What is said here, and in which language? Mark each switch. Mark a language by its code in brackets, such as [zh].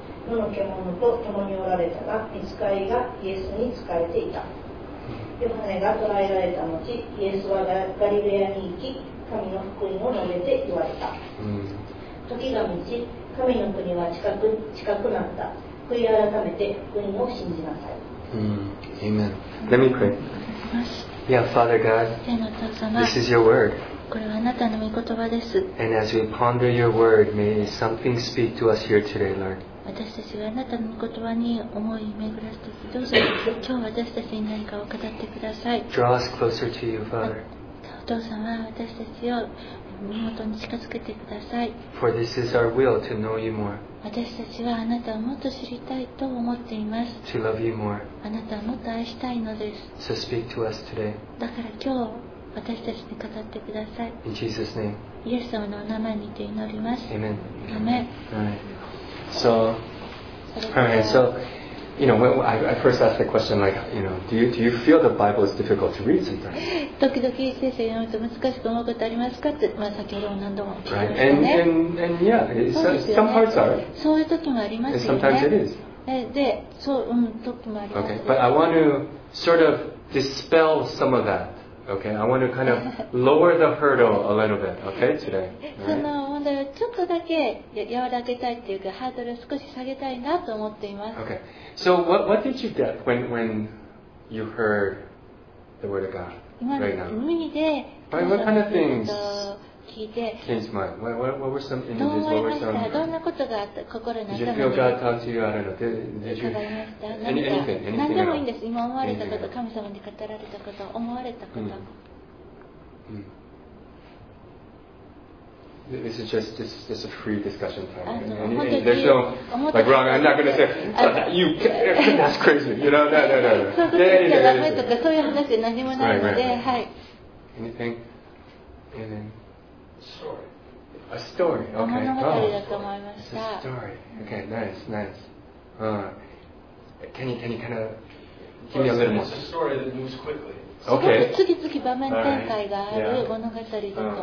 [ja] 野の獣と共におられたが、御使いがイエスに仕えていた。ヨハネが捕らえられた後、イエスはガリレアに行き、神の福音を述べて言われた。時が満ち、神の国は近くなった。悔い改めて福音を信じなさい。 [en] Amen. Let me pray. Yeah, Father God, this is your word. [ja] これはあなたの御言葉です。 [en] And as we ponder your word, may something speak to us here today, Lord. [ja] 私たちがあなたの御言葉に思い巡らすとき、どうぞ今日私たちに何かを語ってください。 [en] Draw us closer to you, Father. [ja] お父様は私たちを身元に近づけてください。 [en] For this is our will to know you more. [ja] 私たちはあなたをもっと知りたいと思っています。 [en] To love you more. [ja] あなたをもっと愛したいのです。 [en] So speak to us today. [ja] だから今日私たちに語ってください。 [en] In Jesus' name. [ja] イエス様のお名前にて祈ります。 [en] Amen. Amen. Right. So, alright. So, you know, when I first asked the question, like, you know, do you feel the Bible is difficult to read sometimes? [ja] 時々聖書を読むと難しく思うことありますか？って、まあ、先ほども何度も聞いてね。 [en] Right. And yeah, some parts are. [ja] そういう時もありますよね。 [en] Sometimes it is. [ja] で、そう、うん、時もあります。 [en] Okay. But I want to sort of dispel some of that. Okay, I want to kind of lower the hurdle a little bit, okay, today. [ja] その問題をちょっとだけ和らげたいっていうか、ハードルを少し下げたいなと思っています。 [en] Okay, so what did you get when you heard the word of God right now? [ja] 今の海で、 [en] right, what kind of things [ja] 聞いて、どんなことが心に頭に伺いました。 何でもいいんです。今思われたこと、神様に語られたこと、思われたこと。 [en] This is just a free discussion time. There's no like wrong. I'm not going to say you. That's crazy. You know, no. [ja] そういう話で何もないので、はい。 [en] Anything? Anything? Story. A story. Okay. Oh. It's a story. Okay. Nice. Can you kind of give me a little more? It's a story that moves quickly. Okay. [ja] すごく次々場面展開がある物語だと思いました。